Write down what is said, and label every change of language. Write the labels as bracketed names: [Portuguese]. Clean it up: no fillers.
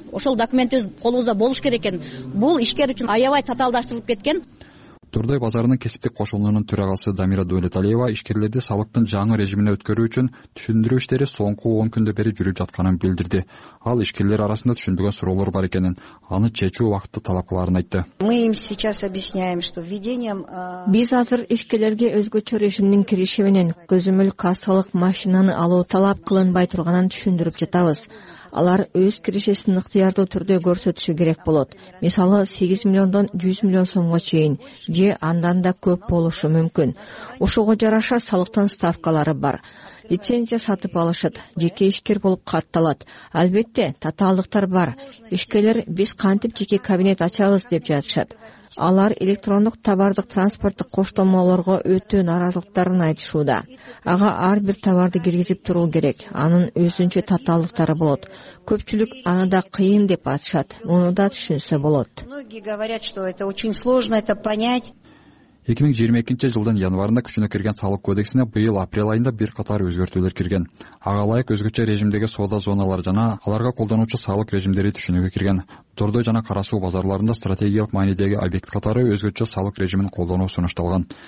[Kyrgyz] Ошол документибиз колубузда болуш керек экен. Бул ишкер үчүн аябай татаалдаштырылып кеткен. Турдай базарынын кесиптик кошулуунун төрагасы Дамира Дөөлөталиева ишкерлерди салыктын жаңы режимине өткөрүү үчүн түшүндүрүү иштери соңку 10 күндө бери жүрүп жатканын билдирди. Ал ишкерлер арасында түшүнбөгөн суроолор бар экенин, аны чечүү убакты талап кылаарын айтты. [Russian] Мы им сейчас объясняем, что введением [Kyrgyz] Биз азыр ишкерлерге өзгөчө режимдин кириши менен көзөмөл кассалык машинаны алуу талап кылынбай турганын түшүндүрүп жатабыз. Алар өз киришесин ыктыярдуу түрдө көрсөтүшү керек болот. Мисалы, 8 миллиондон 100 миллион сомго чейин же андан да көп болушу мүмкүн. Ошого жараша салыктын ставкалары бар. Лицензия сатып алышат, жеке ишкер болуп катталат. Албетте, татаалдыктар бар. Ишкерлер биз кантип жеке кабинет ачабыз деп жатышат. Алар электрондук товардык транспорттук коштомолорго өтүү нааразылыктарын айтышууда. Ага ар бир товарды киргизип туруу керек. Анын өзүнчө татаалдыктары болот. Көпчүлүк аны да кыйын деп атышат. Муну да түшүнсө болот. [Russian] Многие говорят, что это очень сложно это понять. [Kyrgyz] 2022 жылдын январында күчүнө кирген салык кодексине быйыл апрель айында бир катар өзгөртүүлөр кирген. Ага ылайык өзгөчө режимдеги соода зоналары жана аларга колдонуучу салык режимдери түшүнүгө кирген. Тордой жана Кара Суу базарларында стратегиялык маанидеги объект катары өзгөчө салык режимин колдонуу сунушталган.